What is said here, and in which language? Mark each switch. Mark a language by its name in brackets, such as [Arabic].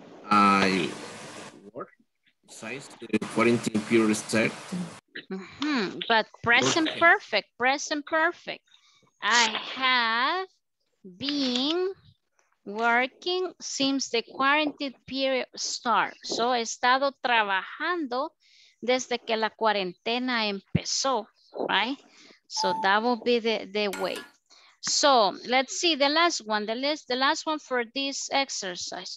[English] I work since the quarantine period started. Mm-hmm. But present perfect, present perfect. I have been working since the quarantine period start. [Spanish] So he estado trabajando desde que la cuarentena empezó, right? [English] So that will be the way. So let's see the last one, the last one for this exercise.